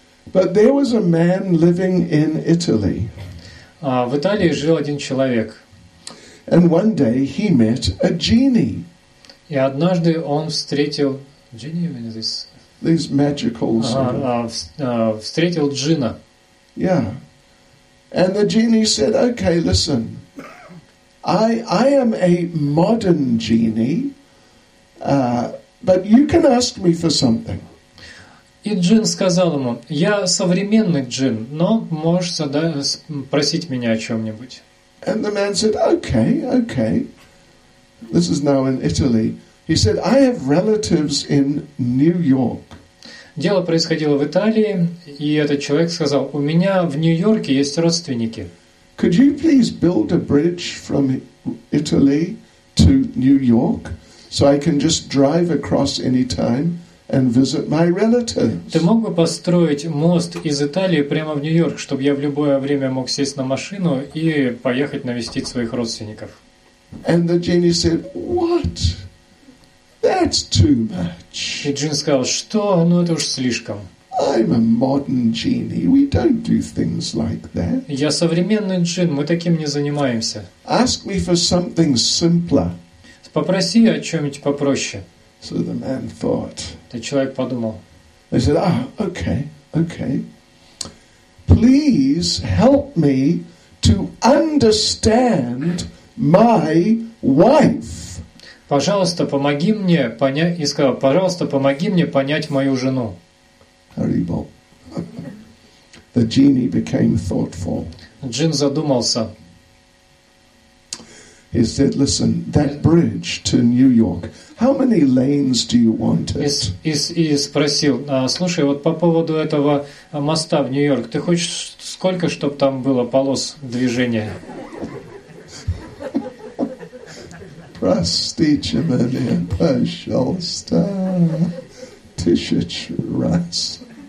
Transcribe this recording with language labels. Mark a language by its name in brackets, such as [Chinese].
[English] But there was a man living in Italy. [Russian] В Италии жил один человек. [English] And one day he met a genie. [Russian] И однажды он встретил genie, [English] these magical [Russian] встретил джина. [English] Yeah. And the genie said, "Okay, listen. I am a modern genie, but you can ask me for something." [Russian] И джин сказал ему: "Я современный джин, но можешь просить меня о чем-нибудь." [English] And the man said, "Okay, okay." This is now in Italy. He said, "I have relatives in New York." [Russian] Дело происходило в Италии, и этот человек сказал: "У меня в Нью-Йорке есть родственники." [English] Could you please build a bridge from Italy to New York so I can just drive across any time and visit my relatives? [Russian] Ты мог бы построить мост из Италии прямо в Нью-Йорк, чтобы я в любое время мог сесть на машину и поехать навестить своих родственников? [English] And the genie said, "What? That's too much." [Russian] И джин сказал: "Что? Ну это уж слишком." [English] I'm a modern genie. We don't do things like that. [Russian] Я современный джин, мы таким не занимаемся. [English] Ask me for something simpler. [Russian] Попроси о чем-нибудь попроще. [English] So the man thought. [Russian] Этот человек подумал. [English] He said, "Ah, okay, okay. Please help me to understand my wife." [Russian] Пожалуйста, помоги мне понять. И сказал: "Пожалуйста, помоги мне понять мою жену." [English] Horrible. The genie became thoughtful. [Russian] Джин задумался. [English] He said, "Listen, that bridge to New York. How many lanes do you want it?" [Russian] И спросил: "Слушай, вот по поводу этого моста в Нью-Йорк, ты хочешь сколько, чтобы там было полос движения?" Простите меня, пожалуйста, тысяч раз.